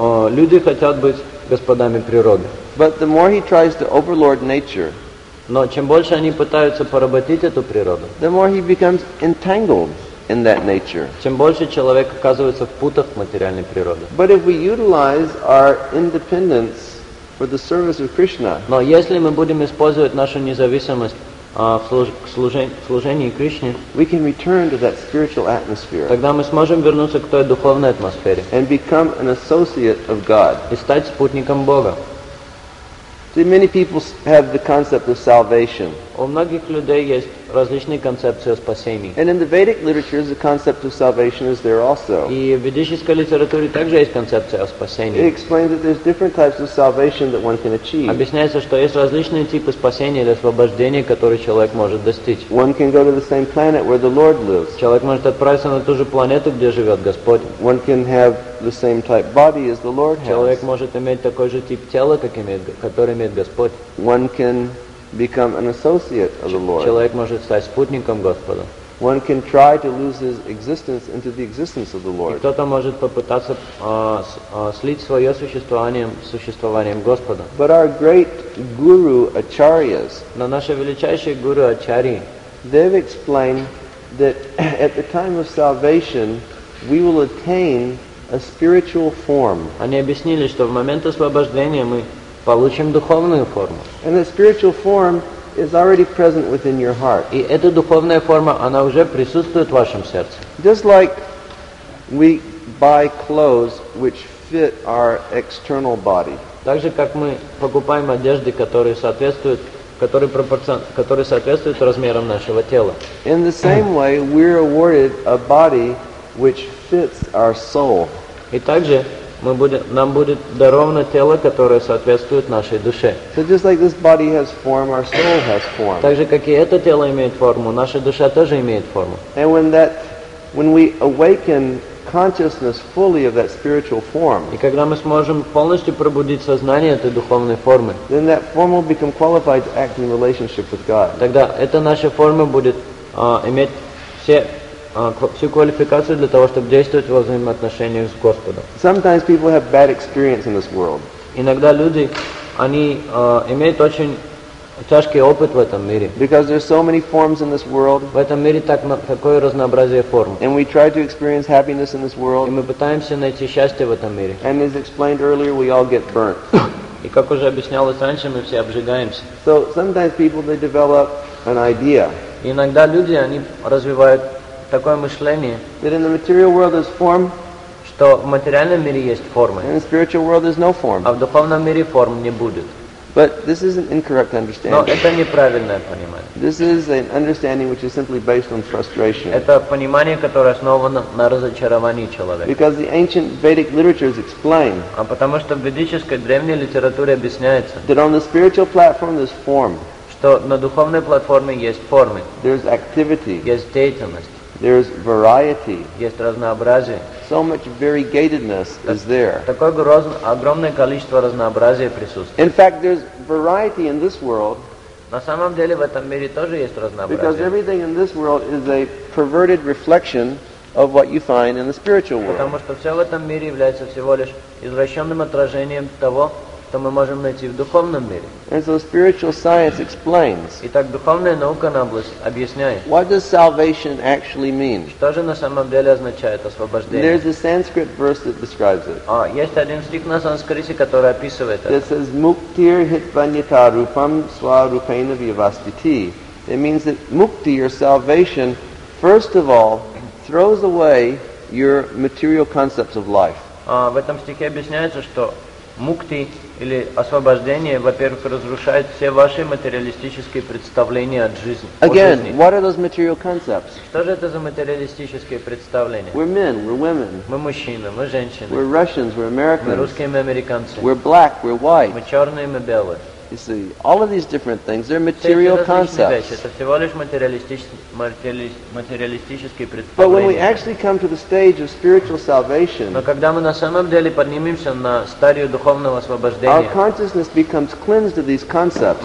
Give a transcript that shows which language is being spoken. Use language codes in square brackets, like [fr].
[ru] Люди хотят быть господами природы. [en] But the more he tries to overlord nature, [ru] но чем больше они пытаются поработить эту природу, [en] the more he becomes entangled in that nature. [ru] Чем больше человек оказывается в путах материальной природы. [en] But if we utilize our independence for the service of Krishna. [ru] Но если мы будем использовать нашу независимость в служении Кришне, [en] we can return to that spiritual atmosphere. [ru] Тогда мы сможем вернуться к той духовной атмосфере. [en] And become an associate of God. [ru] И стать спутником Бога. [en] See, many people have the concept of salvation. [ru] У многих людей есть различные концепции о спасении. [en] And in the Vedic literature, the concept of salvation is there also. [ru] И в ведической литературе также есть концепция о спасении. [en] It explains that there's different types of salvation that one can achieve. [ru] Объясняется, что есть различные типы спасения или освобождения, которые человек может достичь. [en] One can go to the same planet where the Lord lives. [ru] Человек может отправиться на ту же планету, где живет Господь. [en] One can have the same type body as the Lord has. [ru] Человек может иметь такой же тип тела, который имеет Господь. [en] One can become an associate of the Lord. [ru] Человек может стать спутником Господа. [en] One can try to lose his existence into the existence of the Lord. [ru] И кто-то может попытаться слить свое существование с существованием Господа. [en] But our great guru acharyas, [ru] но наши величайшие гуру ачарьи, [en] they've explained that at the time of salvation we will attain a spiritual form. [ru] Они объяснили, что в момент освобождения мы получим духовную форму. [en] And the spiritual form is already present within your heart. [ru] И эта духовная форма, она уже присутствует в вашем сердце. [en] Just like we buy clothes which fit our external body. [ru] Так же, как мы покупаем одежды, которые соответствуют размерам нашего тела. [en] In the same way, we're awarded a body which fits our soul. [ru] И также нам будет даровано тело, которое соответствует нашей душе. [en] So just like this body has form, our soul has form. [ru] Так же, как и это тело имеет форму, наша душа тоже имеет форму. [en] And when we awaken consciousness fully of that spiritual form, [ru] и когда мы сможем полностью пробудить сознание этой духовной формы, [en] then that form will become qualified to act in relationship with God. [ru] Тогда эта наша форма будет иметь все всю квалификацию для того, чтобы действовать во взаимоотношениях с Господом. [en] Sometimes people have bad experience in this world. [ru] Иногда люди, они имеют очень тяжкий опыт в этом мире. [en] Because there's so many forms in this world. [ru] В этом мире такое разнообразие форм. [en] And we try to experience happiness in this world. [ru] И мы пытаемся найти счастье в этом мире. [en] And as explained earlier, we all get burnt. [ru] И как уже объяснялось раньше, мы все обжигаемся. [en] So sometimes people, they develop an idea. [ru] Иногда люди, они развивают такое мышление, [en] that in the material world is form, [ru] что в материальном мире есть форма, [en] in the spiritual world is no form. [ru] А в духовном мире форм не будет. [en] But this is an incorrect understanding. [ru] Но это неправильное понимание. [en] This is an understanding which is simply based on frustration. [ru] Это понимание, которое основано на разочаровании человека. [en] Because the ancient Vedic literature is explained. [ru] А потому что в ведической древней литературе объясняется, [en] that on the spiritual platform there's form. [ru] Что на духовной платформе есть формы. [en] There's activity. [ru] Есть деятельность. [en] There's variety. [ru] Есть разнообразие. [en] So much variegatedness is there. [ru] Такое огромное количество разнообразия присутствует. [en] In fact, there's variety in this world. [ru] На самом деле в этом мире тоже есть разнообразие. [en] Because everything in this world is a perverted reflection of what you find in the spiritual world. [ru] Потому что все в этом мире является всего лишь извращенным отражением того, то мы можем найти в духовном мире. [en] And so spiritual science explains. [ru] Итак, духовная наука на область объясняет. [en] What does salvation actually mean? [ru] Что же на самом деле означает освобождение? [en] There's a Sanskrit verse that describes it. [ru] А, есть один стих на санскрите, который описывает это. [en] It says [sa] muktir hitvanyata rupam sva rupena vyavastiti. [en] It means that mukti, or salvation, first of all, throws away your material concepts of life. [ru] В этом стихе объясняется, что мукти или освобождение, во-первых, разрушает все ваши материалистические представления от жизни. [en] Again, what are those material concepts? [ru] Что же это за материалистические представления? [en] We're men, we're women. [ru] Мы мужчины, мы женщины. [en] We're Russians, we're Americans. [ru] Мы русские, мы американцы. [en] We're black, we're white. [ru] Мы черные, мы белые. [en] You see, all of these different things, they're material concepts. But when we actually come to the stage of spiritual salvation, our consciousness becomes cleansed of these concepts.